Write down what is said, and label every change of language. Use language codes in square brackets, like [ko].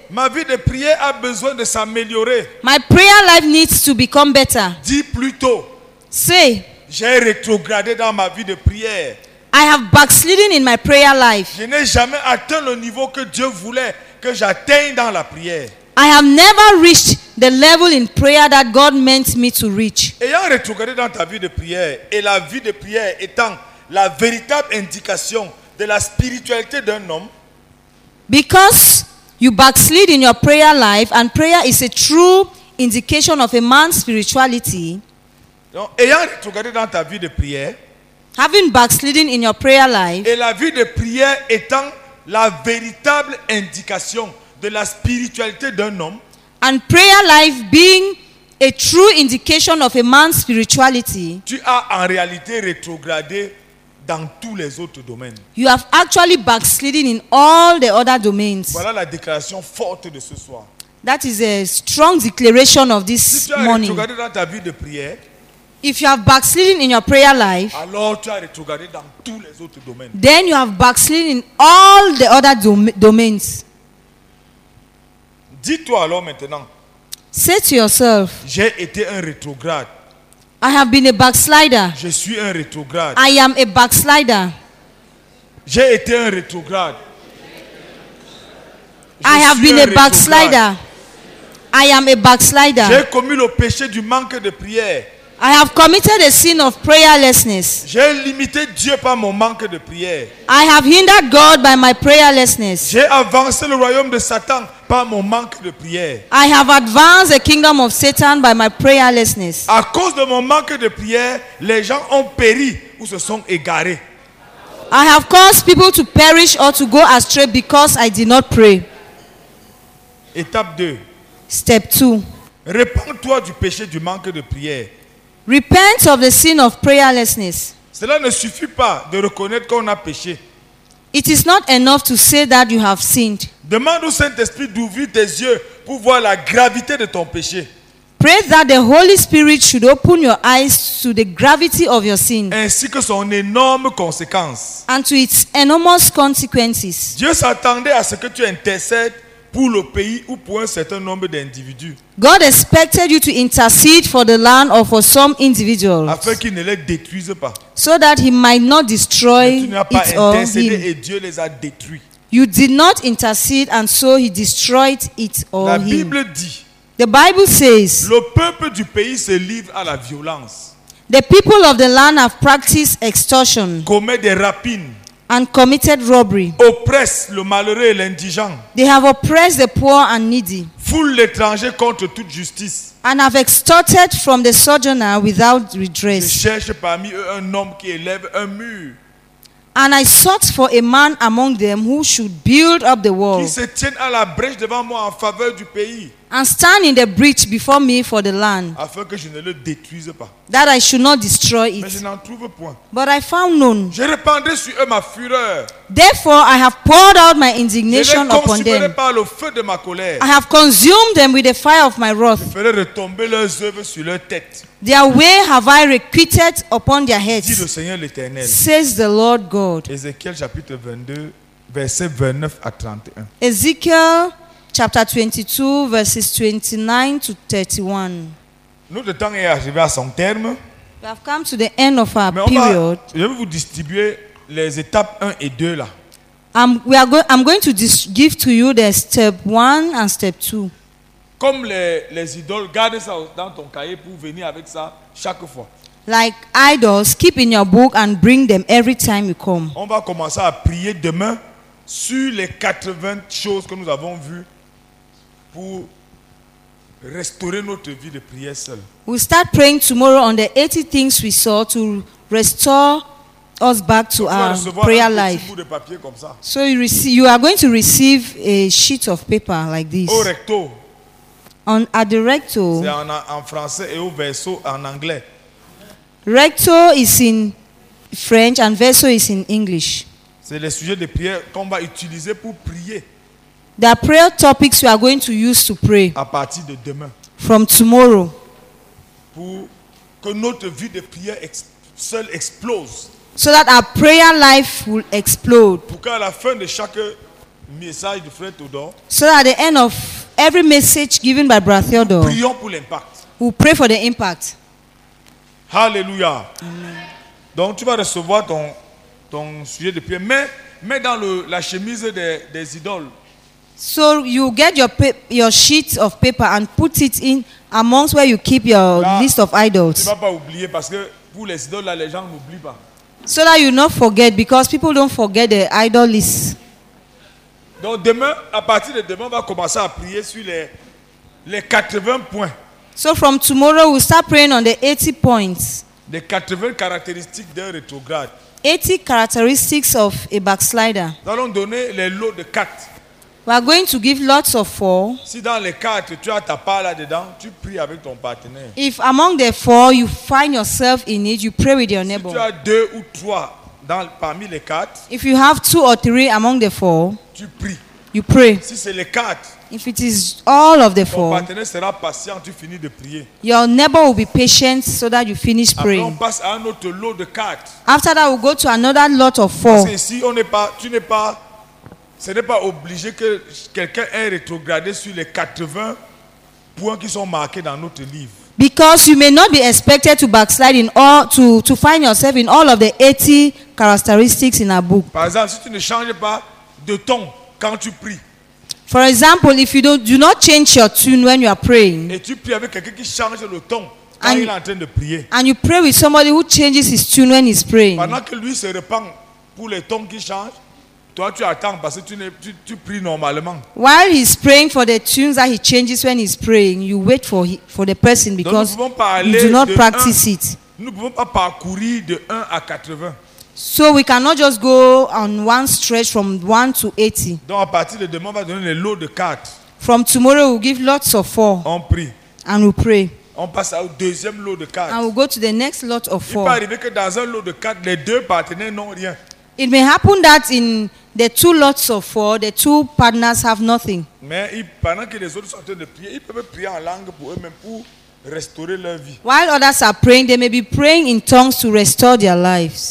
[fr] Ma vie de prière a besoin de s'améliorer. [en] My prayer life needs to become better. [fr] Dis plutôt. [en] Say. [fr] J'ai rétrogradé dans ma vie de prière. [en] I have backslidden in my prayer life. [fr] Je n'ai jamais atteint le niveau que Dieu voulait que j'atteigne dans la prière. [en] I have never reached the level in prayer that God meant me to reach. [fr] Ayant rétrogradé dans ta vie de prière et la vie de prière étant la véritable indication de la spiritualité d'un homme. [en] Because you backslid in your prayer life and prayer is a true indication of a man's spirituality. [fr] Donc, ayant rétrogradé dans ta vie de prière. [en] Having backslidden in your prayer life. [fr] Et la vie de prière étant la véritable indication de la spiritualité d'un homme. [en] And prayer life being a true indication of a man's spirituality. [fr] Tu as en réalité rétrogradé dans tous les autres domaines. [en] You have actually backslidden in all the other domains. [fr] Voilà la déclaration forte de ce soir. [en] That is a strong declaration of this morning. [fr] Si tu as rétrogradé dans ta vie de prière. [en] If you have backslidden in your prayer life, [fr] alors tu as rétrogradé dans tous les autres domaines. [en] Then you have backslidden in all the other domains. [fr] Dis-toi alors maintenant. [en] Say to yourself. [fr] J'ai été un rétrograde. [en] I have been a backslider. [fr] Je suis un rétrograde. [en] I am a backslider. [fr] J'ai été un rétrograde. [en] I have been a backslider. I am a backslider. [fr] J'ai commis le péché du manque de prière. [en] I have committed a sin of prayerlessness. [fr] J'ai limité Dieu par mon manque de prière. [en] I have hindered God by my prayerlessness. [fr] J'ai avancé le royaume de Satan par mon manque de prière. [en] I have advanced the kingdom of Satan by my prayerlessness. [fr] À cause de mon manque de prière, les gens ont péri ou se sont égarés. [en] I have caused people to perish or to go astray because I did not pray. [fr] Étape 2. [en] Step 2. [fr] Repens-toi du péché du manque de prière. [en] Repent of the sin of prayerlessness. [fr] Cela ne suffit pas de reconnaître qu'on a péché. [en] It is not enough to say that you have sinned. [fr] Demande au Saint-Esprit d'ouvrir tes yeux pour voir la gravité de ton péché. [en] Pray that the Holy Spirit should open your eyes to the gravity of your sin. [fr] Ainsi que son énorme conséquence. [en] And to its enormous consequences. [fr] Dieu s'attendait à ce que tu intercèdes pour le pays ou pour un certain nombre d'individus. [en] God expected you to intercede for the land or for some individuals. [fr] Afin qu'il ne les détruise pas. [en] So that he might not destroy it or him. [fr] Mais tu n'as pas intercédé et Dieu les a détruits. [en] You did not intercede and so he destroyed it or him. [fr] La Bible dit. [en] The Bible says. [fr] Le peuple du pays se livre à la violence. [en] The people of the land have practiced extortion. [fr] Commet des rapines. [en] And committed robbery. [fr] Oppresse le malheureux et l'indigent. [en] They have oppressed the poor and needy. [fr] Foule l'étranger contre toute justice. [en] And have extorted from the sojourner without redress. [fr] Je cherche parmi eux un homme qui élève un mur. [en] And I sought for a man among them who should build up the wall. [fr] Qui se tienne à la brèche devant moi en faveur du pays. [en] and stand in the breach before me for the land, [fr] afin que je ne le détruise pas, [en] that I should not destroy it. [fr] Mais je n'en trouve point. [en] But I found none. [fr] Je répandrai sur eux ma fureur. [en] Therefore, I have poured out my indignation upon them. [fr] Je les consumerai par le feu de ma colère. [en] I have consumed them with the fire of my wrath. [fr] Je ferai retomber leurs œuvres sur leur tête. [en] Their way have I requited upon their heads, [fr] dit le Seigneur l'Éternel, [en] says the Lord God. [fr] Ézéchiel chapitre 22, versets 29 à 31. Ézéchiel chapitre 22, versets 29 à 31. Notre temps est arrivé à son terme. [en] We have come to the end of our period. [fr] Je vais vous distribuer les étapes 1 et 2 là. [en] I'm going to give to you the step 1 and step 2. [fr] Comme les idoles, garde ça dans ton cahier pour venir avec ça chaque fois. [en] Like idols, keep in your book and bring them every time you come. [fr] On va commencer à prier demain sur les 80 choses que nous avons vues pour restaurer notre vie de prière seule. [en] We'll start praying tomorrow on the 80 things we saw to restore us back to our prayer life. [fr] De papier comme ça. [en] So you are going to receive a sheet of paper like this. [fr] Au recto. [en] On a directo. [fr] C'est en français et au verso en anglais. [en] Recto is in French and verso is in English. [fr] C'est le sujet de prière qu'on va utiliser pour prier. [en] The prayer topics we are going to use to pray. [fr] À partir de demain. [en] From tomorrow. [fr] Pour que notre vie de prière seule explose. [en] So that our prayer life will explode. [fr] Pour qu'à la fin de chaque message de Frère Théodore. [en] So that at the end of every message given by Brother Theodore. [fr] Nous prions pour l'impact. [en] We pray for the impact. Hallelujah. Amen. [fr] Donc tu vas recevoir ton sujet de prière. Mets dans la chemise des idoles. [en] So you get your sheet of paper and put it in amongst where you keep your list of idols. [fr] Tu vas pas oublier parce que pour les idoles là, les gens n'oublient pas. [en] So that you not forget because people don't forget the idol list. [fr] Donc demain, à partir de demain, on va commencer à prier sur les 80 points. [en] So from tomorrow, we'll start praying on the 80 points. [fr] Les 80 caractéristiques d'un rétrograde. [en] 80 characteristics of a backslider. [fr] Nous allons donner les lots de 4. [en] We are going to give lots of 4. [fr] Si dans les 4, tu as ta part là-dedans, tu pries avec ton partenaire. [en] If among the 4, you find yourself in it, you pray with your neighbor. [fr] Si tu as 2 ou 3 parmi les 4, [en] if you have 2 or 3 among the 4, [fr] tu pries. [en] You pray. [fr] Si c'est les 4, [en] if it is all of the 4, [fr] ton partenaire sera patient, tu finis de prier. [en] Your neighbor will be patient so that you finish praying. [fr] Après, on passe à un autre lot de 4. [en] After that, we'll go to another lot of 4. [fr] Parce que si on n'est pas, tu n'es pas, ce n'est pas obligé que quelqu'un ait rétrogradé sur les 80 points qui sont marqués dans notre livre. [en] Because you may not be expected to backslide in all to find yourself in all of the 80 characteristics in our book. [fr] Par exemple, si tu ne changes pas de ton quand tu pries. [en] For example, if you do not change your tune when you are praying. [fr] Et tu pries avec quelqu'un qui change le ton quand il est en train de prier. [en] And you pray with somebody who changes his tune when he's praying. [fr] Pendant que lui se repent pour les tons qui changent. Toi, tu attends parce que tu pries normalement. [en] While he's praying for the tunes that he changes when he's praying, you wait for the person because you do not practice it. [fr] Nous pouvons pas parcourir de 1 à 80. [en] So we cannot just go on one stretch from 1 to 80. [fr] Donc à partir de demain, on va donner le lot de 4. [en] From tomorrow, we'll give lots of 4. [fr] On prie. [en] And we'll pray. [fr] On passe au deuxième lot de 4. [en] And we'll go to the next lot of 4. [fr] Il peut arriver que dans un lot de 4, les deux partenaires n'ont rien. [en] It may happen that in the two lots of 4, the two partners have nothing. [fr] Mais pendant que les autres sont en train de prier, ils peuvent prier en langue pour eux-mêmes pour restaurer leur vie. [en] While others are praying, they may be praying in tongues to restore their lives.